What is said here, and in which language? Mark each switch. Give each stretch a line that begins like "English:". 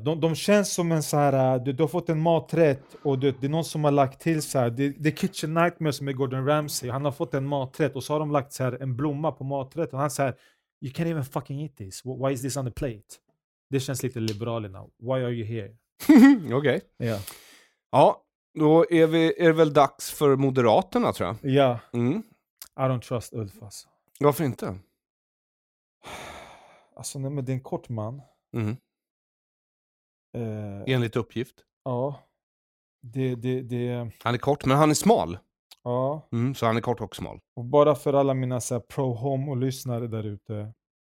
Swedish: De känns som en så här, du har fått en maträtt och det är någon som har lagt till så här, det är Kitchen Nightmare som är Gordon Ramsay. Han har fått en maträtt och så har de lagt så här en blomma på maträtt och han säger,
English: you can't even fucking eat this. Why is this on the plate?
Swedish: Det känns lite Liberalerna.
English: Why are you here?
Swedish: Okej.
English: Okay. Yeah.
Swedish: Ja, då är det väl dags för Moderaterna, tror jag. Ja.
English: Yeah. Mm. I don't trust Ulf, alltså.
Swedish: Varför inte? Alltså, nej, men det är en kort man. Mm. Enligt uppgift. Ja. Det han är kort, men han är smal. Ja. Mm, så han är kort och smal. Och bara för alla mina så här, pro-home och lyssnare där ute.